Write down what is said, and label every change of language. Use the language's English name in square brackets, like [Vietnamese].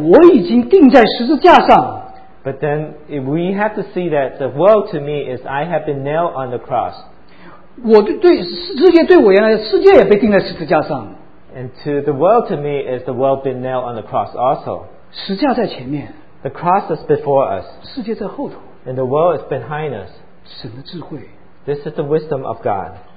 [Chinese] 但是神叫我们能够在十字架上能够叫说世界对我来讲我已经钉在十字架上。But [English] then if we have to see that the world to me is I have been nailed on the cross. [Chinese] 我对世界对我原来世界也被钉在十字架上。 [English] And to the world to me is the world been nailed on the cross also. [Chinese] 十字架在前面。 [English] The cross is before us. [Chinese] 世界在后头。 [English] And the world is behind us. [Chinese] 神的智慧。 [English] This is the wisdom of God.